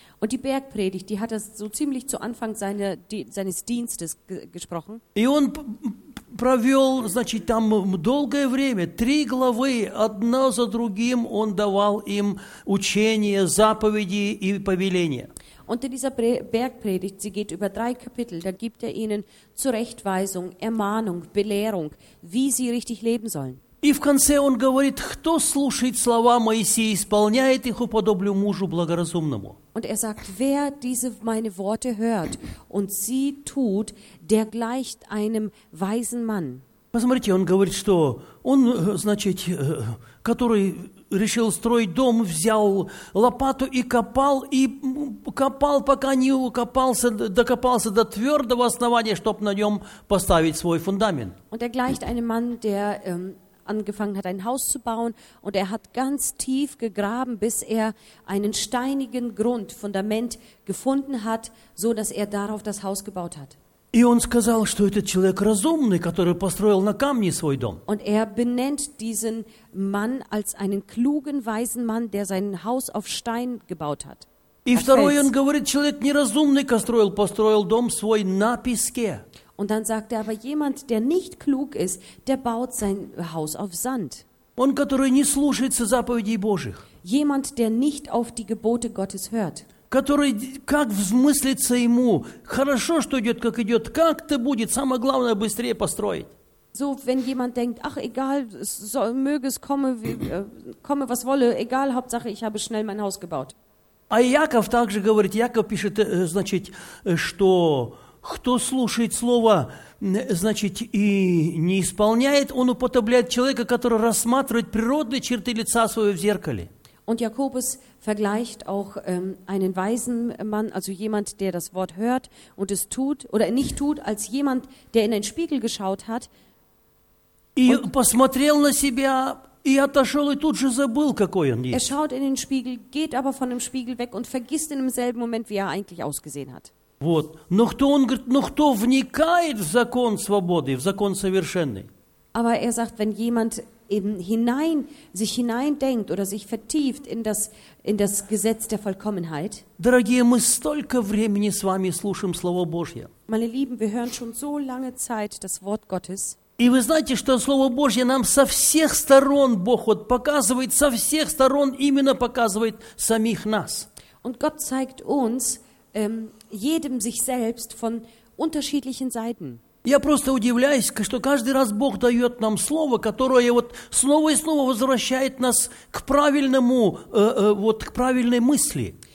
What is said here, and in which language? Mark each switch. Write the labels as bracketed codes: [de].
[de] Und die Bergpredigt, die hat er so ziemlich zu Anfang seines Dienstes gesprochen. [ru] И он провел, значит, там долгое время, три главы, одна за другим, он давал им учения, заповеди и повеления. [de] Und in dieser Bergpredigt, sie geht über drei Kapitel, da gibt er ihnen Zurechtweisung, Ermahnung, Belehrung, wie sie richtig leben sollen. [ru] И в конце он говорит, кто слушает слова Моисея и исполняет их, уподоблю мужу благоразумному. [de] Und er sagt, wer diese meine Worte hört und sie tut, der gleicht einem weisen Mann. [ru] Посмотрите, он говорит, что он, значит, который решил строить дом, взял лопату и копал, пока не докопался до твердого основания, чтобы на нем поставить свой фундамент. [de] Und er gleicht einem Mann, der angefangen hat, ein Haus zu bauen, und er hat ganz tief gegraben, bis er einen steinigen Grund, Fundament gefunden hat, so dass er darauf das Haus gebaut hat. [ru] И он сказал, что этот человек разумный, который построил на камне свой дом. [de] Und er benennt diesen Mann als einen klugen, weisen Mann, der sein Haus auf Stein gebaut hat. [ru] И второй он говорит, человек неразумный, который построил дом свой на песке. [de] Und dann sagt er aber, jemand, der nicht klug ist, der baut sein Haus auf Sand. [ru] Он, который не слушается заповедей Божьих. [de] Jemand, der nicht auf die Gebote Gottes hört. [ru] Который, как взмыслится ему, хорошо, что идет, как-то будет, самое главное, быстрее построить. [de] So, wenn jemand denkt, ach, egal, möge es komme, was wolle, egal, Hauptsache, ich habe schnell mein Haus gebaut. [ru] А Яков также говорит, Яков пишет, значит, что... Кто слушает слово, значит, и не исполняет, он уподобляет человека, который рассматривает природные черты лица своего в зеркале. [de] Und Jakobus vergleicht auch einen weisen Mann, also jemand, der das Wort hört und es tut oder nicht tut, als jemand, der in einen Spiegel geschaut hat. [ru] И посмотрел на себя и отошел и тут же забыл, какой он есть. [de] Er schaut in den Spiegel, geht aber von dem Spiegel weg und vergisst in demselben Moment, wie er eigentlich ausgesehen hat. [ru] Вот. Но кто, он говорит, но кто вникает в закон свободы, в закон совершенный? [de] Aber er sagt, wenn jemand eben sich hineindenkt oder sich vertieft in das Gesetz der Vollkommenheit. [ru] Дорогие, мы столько времени с вами слушаем Слово Божье. [de] Meine Lieben, wir hören schon so lange Zeit das Wort Gottes. [ru] И вы знаете, что Слово Божье нам со всех сторон Бог вот показывает, со всех сторон именно показывает самих нас. [de] Und Gott zeigt uns jedem sich selbst von unterschiedlichen Seiten. [ru] Я просто удивляюсь, что каждый раз Бог дает нам слово, которое вот снова и снова возвращает нас к правильному, вот к правильной мысли.